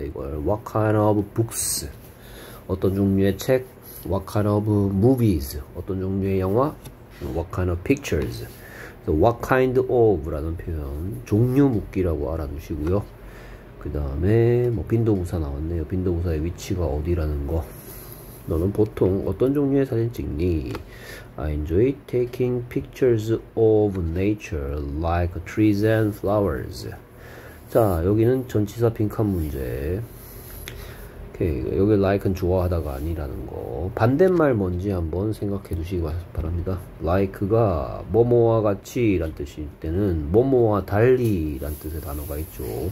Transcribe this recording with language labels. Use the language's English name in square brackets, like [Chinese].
[Korean] 이걸 [English] what kind of books [Korean] 어떤 종류의 책, [English] what kind of movies [Korean] 어떤 종류의 영화, [English] what kind of pictures. So what kind of [Korean] 라는 표현 종류 묻기라고 알아두시고요. 그 다음에 뭐 빈도부사 나왔네요. 빈도부사의 위치가 어디라는 거. 너는 보통 어떤 종류의 사진 찍니? [English] I enjoy taking pictures of nature like trees and flowers. [Korean] 자, 여기는 전치사 빈칸 문제. 오케이, 여기 like은 좋아하다가 아니라는 거. 반대말 뭔지 한번 생각해 두시기 바랍니다. like가 뭐뭐와 같이 란 뜻일 때는 뭐뭐와 달리 란 뜻의 단어가 있죠.